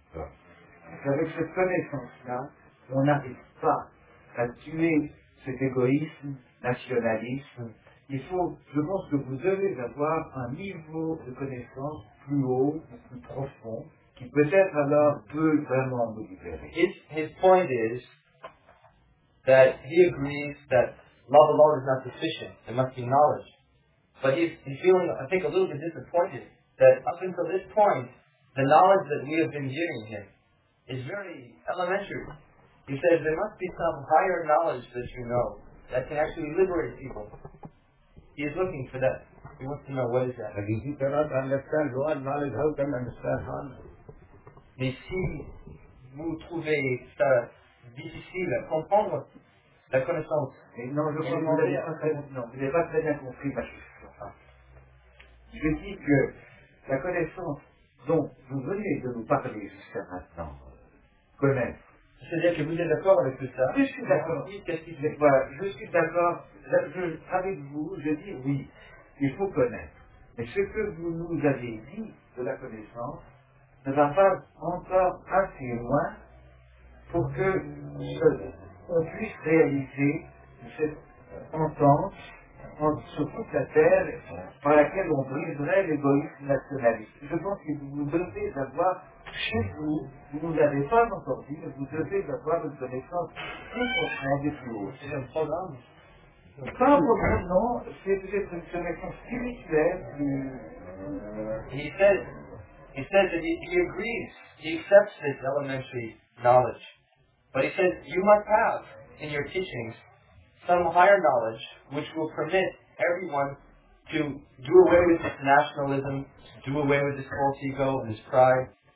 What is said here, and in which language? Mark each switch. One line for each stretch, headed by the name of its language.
French: Parce qu'avec cette connaissance-là, on n'arrive pas à tuer cet égoïsme, nationalisme. Il faut, je pense que vous devez avoir un niveau de connaissance plus haut, plus profond, qui peut-être alors peut vraiment vous libérer.
English: His point is that he agrees that love alone is not sufficient, there must be knowledge. But he's feeling, I think, a little bit disappointed that up until this point, the knowledge that we have been giving him is very elementary. He says there must be some higher knowledge that you know. that can actually liberate people. He is looking for that. He wants to know what is that. But if he cannot understand God knowledge, how can he understand God?
French: Mais si vous trouvez ça difficile à comprendre la connaissance, et non, je n'ai pas très bien compris ma question. Je dis que la connaissance dont vous venez de nous parler jusqu'à maintenant, connaître. C'est-à-dire que vous êtes d'accord avec tout ça? Je suis d'accord. Voilà, je suis d'accord avec vous, je dis oui, il faut connaître. Mais ce que vous nous avez dit de la connaissance ne va pas encore assez loin pour que on puisse réaliser cette entente entre ce toute la terre par laquelle on briserait l'égoïsme nationaliste. Je pense que vous devez avoir chez vous, vous ne nous avez pas encore dit, mais vous devez avoir une connaissance plus profonde et plus haute. C'est un programme. Pas un programme, non, c'est peut-être une connaissance spirituelle.
English: He says that he agrees, he accepts this elementary knowledge. But he says, you must have in your teachings some higher knowledge which will permit everyone to do away with this nationalism, to do away with this false ego, this pride.